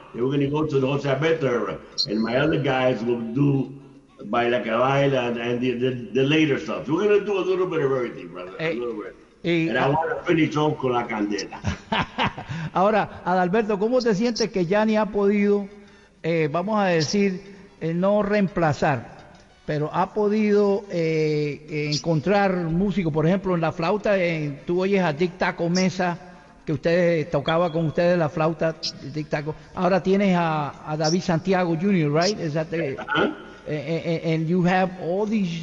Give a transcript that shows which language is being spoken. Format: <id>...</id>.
<en>They were gonna go to the Jose Alberto era, and my other guys will do by La Cabaila and the later stuff. We're gonna do a little bit of everything, brother. Hey. A little bit. Y, and I want to finish off</en> <es>con la candela. Ahora, Adalberto, ¿cómo te sientes que Gianni ha podido, vamos a decir, no reemplazar, pero ha podido encontrar músicos? Por ejemplo, en la flauta, tú oyes a Dick Taco Mesa, que ustedes tocaba con ustedes la flauta, Dick Taco. Ahora tienes a David Santiago Jr.,</es> <en>right? Is that the, and you have all these...</en>